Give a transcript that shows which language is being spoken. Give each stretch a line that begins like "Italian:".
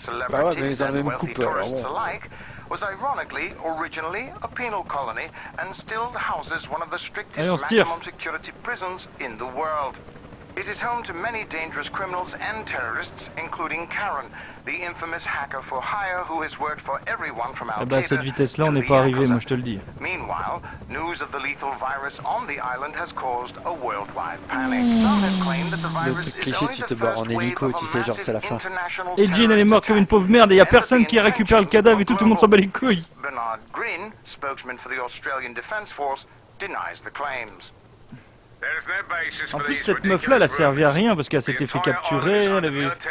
French: Bah ouais, mais ils ont la même coupe, alors bon.
English: Was ironically originally a penal colony and still houses one of the strictest maximum security prisons in the world. It is home to many dangerous criminals and terrorists, including Karen, the infamous hacker for hire who has worked for everyone from Al-Qaeda.
French: Eh ben, cette vitesse-là, on n'est pas arrivé, moi je te le dis.
English: Meanwhile, news of the lethal virus on the island has caused a worldwide panic. Some have claimed that the virus is only the first wave of a massive international terrorist attack.
French: Eljin, elle est morte comme une pauvre merde, et y a personne qui récupère le cadavre et tout le monde s'en bat les couilles.
English: Bernard Green, spokesman for the Australian Defence Force, denies the claims.
French: En plus, cette meuf-là, elle a servi à rien parce qu'elle s'était fait capturer, elle avait...